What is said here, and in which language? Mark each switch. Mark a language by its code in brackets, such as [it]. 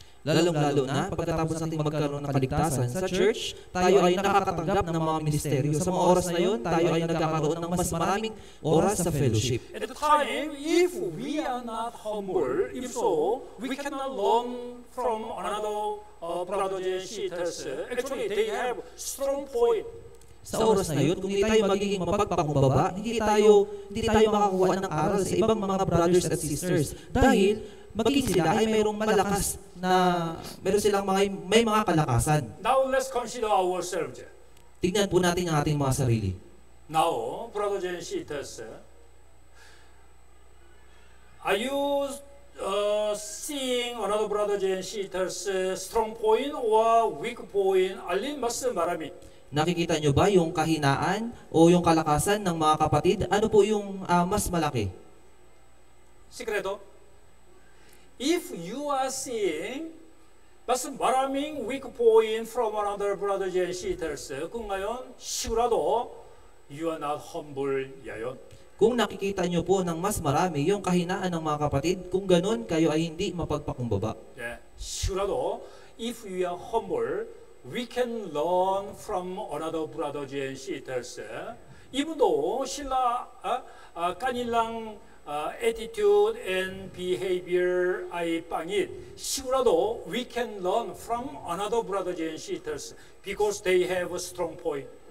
[tl] Lalong-lalo na pagkatapos natin magkaroon ng kaligtasan sa church, tayo ay nakakatanggap ng mga ministeryo. Sa mga oras na yun, tayo ay nagkakaroon ng mas maraming oras sa fellowship. [en] At the time, if we are not humble, if so, we cannot learn from another brothers and sisters. Actually, they have strong point. [tl] Sa oras na yun, kung hindi tayo magiging mapagpakumbaba, hindi tayo makakuha ng aral sa ibang mga brothers at sisters. Dahil, magiging sila ay mayroong malakas na meron silang may mga kalakasan. [en] Now, let's consider ourselves. [tl] Tingnan po natin ang ating mga sarili. [en] Now, brothers and sisters, are you seeing another brothers and sisters' strong point or weak point? [tl] Alin mas marami? Nakikita nyo ba yung kahinaan o yung kalakasan ng mga kapatid? Ano po yung mas malaki? Sikreto? [en] If you are seeing [tl] mas maraming [en] weak point from another brothers and sisters, [tl] kung ngayon, sigurado, [en] you are not humble yayon. [tl] Kung nakikita nyo po ng mas marami yung kahinaan ng mga kapatid, kung ganun, kayo ay hindi mapagpakumbaba. Yeah. Sigurado, [en] if you are humble, we can learn from another brothers and sisters. Even though [tl] sila kanilang [en] attitude and behavior [tl] ay pangit, [en] sigurado we can learn from another brothers and sisters because they have a strong point.